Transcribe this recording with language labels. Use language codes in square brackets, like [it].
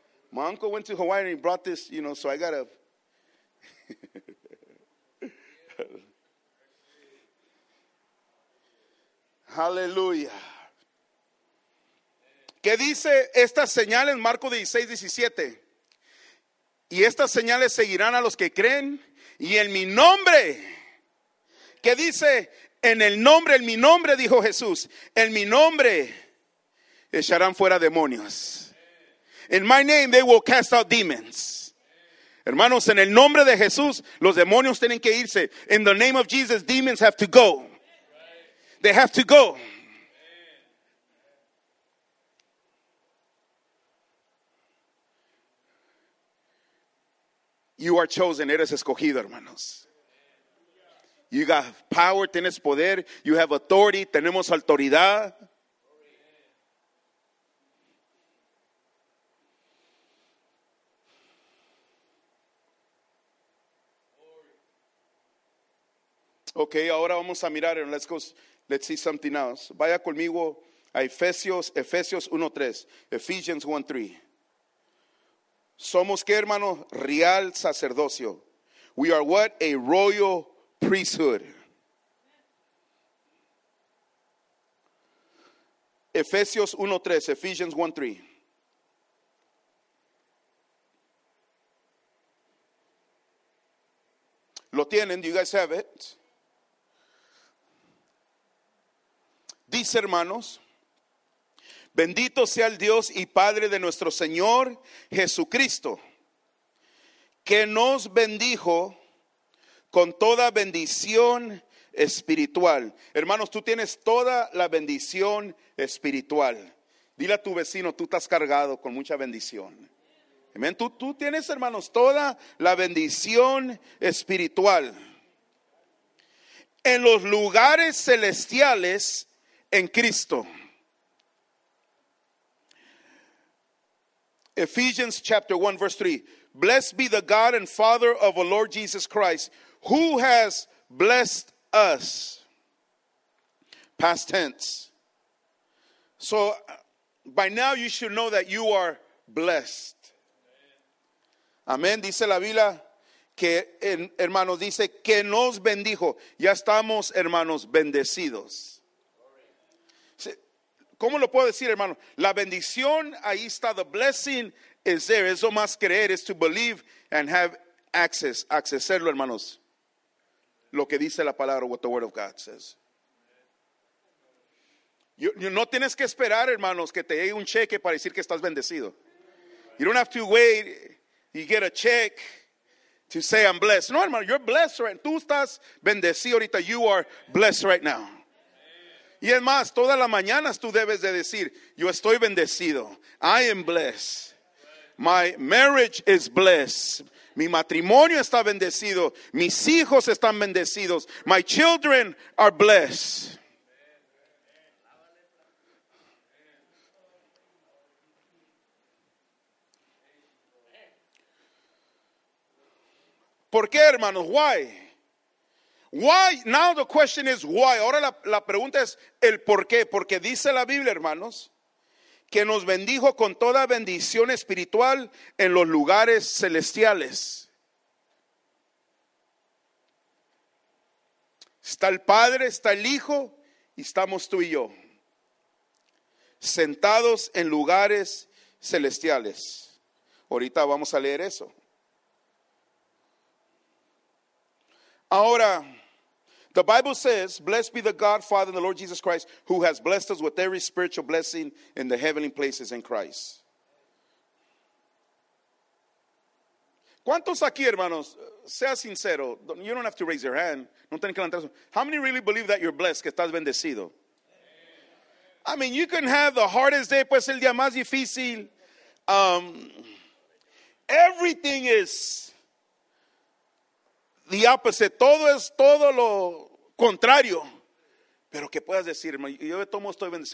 [en] My uncle went to Hawaii and he brought this, you know, so I got a. [es] Aleluya. ¿Qué dice esta señal en Marco 16, 17? Y estas señales seguirán a los que creen. Y en mi nombre. ¿Qué dice? En mi nombre, dijo Jesús. En mi nombre echarán fuera demonios. [en] In my name they will cast out demons. [es] Hermanos, en el nombre de Jesús, los demonios tienen que irse. [en] In the name of Jesus, demons have to go. They have to go. You are chosen. [es] Eres escogido, hermanos. [en] You got power. [es] Tienes poder. [en] You have authority. [es] Tenemos autoridad. Okay, ahora vamos a mirar. [en] Let's see something else. [es] Vaya conmigo a Efesios 1:3. Ephesians 1:3. Somos qué, hermano? Real sacerdocio. [en] We are what? A royal priesthood. [es] Efesios 1:3. Ephesians 1:3. Lo tienen. [en] Do you guys have it? [es] Dice, hermanos, bendito sea el Dios y Padre de nuestro Señor Jesucristo, que nos bendijo con toda bendición espiritual. Hermanos, tú tienes toda la bendición espiritual. Dile a tu vecino, tú estás cargado con mucha bendición. Amén. Tú tienes, hermanos, toda la bendición espiritual. En los lugares celestiales, en Cristo. [en] Ephesians chapter 1 verse 3. Blessed be the God and Father of our Lord Jesus Christ, who has blessed us. Past tense. So by now you should know that you are blessed. [es] Amén. Dice la Biblia que hermanos dice que nos bendijo. Ya estamos, hermanos, bendecidos. ¿Cómo lo puedo decir, hermano? La bendición, ahí está, [en] the blessing is there. [es] Eso más creer, es [en] to believe and have access. [es] Accesarlo, hermanos. Lo que dice la palabra, [en] what the word of God says. [es] You no tienes que esperar, hermanos, que te llegue un cheque para decir que estás bendecido. [en] You don't have to wait, you get a check to say I'm blessed. [es] No, hermano, [en] you're blessed right now. [es] Tú estás bendecido ahorita, [en] you are blessed right now. [es] Y es más, todas las mañanas tú debes de decir, yo estoy bendecido. [en] I am blessed. My marriage is blessed. [es] Mi matrimonio está bendecido. Mis hijos están bendecidos. [en] My children are blessed. [es] ¿Por qué, hermanos? [en] Why? Why? Now the question is why. [es] Ahora la pregunta es el por qué. Porque dice la Biblia, hermanos, que nos bendijo con toda bendición espiritual en los lugares celestiales. Está el Padre, está el Hijo, y estamos tú y yo, sentados en lugares celestiales. Ahorita vamos a leer eso. [en] Ahora, the Bible says, blessed be the God, Father, and the Lord Jesus Christ, who has blessed us with every spiritual blessing in the heavenly places in Christ. [es] ¿Cuántos aquí, hermanos? Sea sincero. [en] You don't have to raise your hand. [es] No tienen que levantar. [en] How many really believe that you're blessed, [es] que estás bendecido? [en] I mean, you can have the hardest day, [es] pues el día más difícil. [en] Everything is the opposite. [es] Todo es todo lo contrario. Pero que puedas decirme, yo de todo estoy bendecido.